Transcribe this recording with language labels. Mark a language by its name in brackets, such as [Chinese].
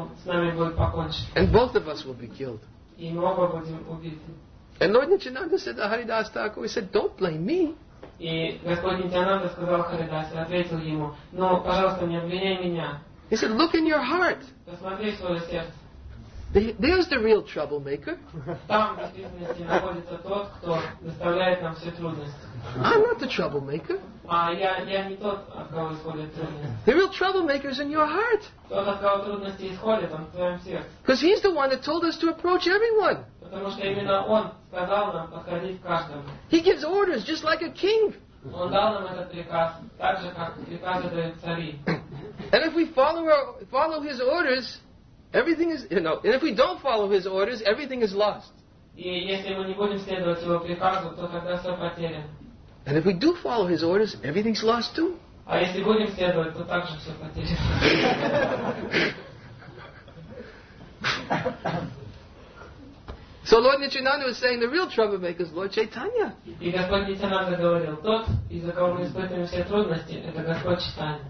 [English] And both of us will be killed. And Lord Nityananda said to Haridas Thakur, he said, don't blame me. [Russian] И Господь Нитянанда сказал Харидасе, ответил ему, «Ну, пожалуйста, не обвиняй меня». [English] He said, look in your heart. [Russian] Посмотри в свое сердце. [English] There's the real troublemaker. [Russian] Там, в действительности, находится тот, кто доставляет нам все трудности. [English] I'm not the troublemaker. [Russian] А я не тот, от кого исходят трудности. [English] The real troublemaker is in your heart. [Russian] Тот, от кого трудности исходят, он в твоем сердце. [English] Because he's the one that told us to approach everyone. [Russian] Потому что именно он сказал нам подходить к каждому. [English] He gives orders just like a king. [Russian] Он дал нам этот приказ, так же, как приказы дают цари. [English] And if we follow his orders, everything is, you know, and if we don't follow his orders, everything is lost. [Russian] И если мы не будем следовать его приказу, то тогда все потеряно. [English] And if we do follow his orders, everything's lost too. [Russian] А если будем следовать, то также все потеряно. [English] So Lord Nityananda was saying the real troublemaker is Lord Chaitanya. [Russian] И Господь Нитянанда говорил, тот, из-за кого мы испытываем все трудности, это Господь Чайтанья.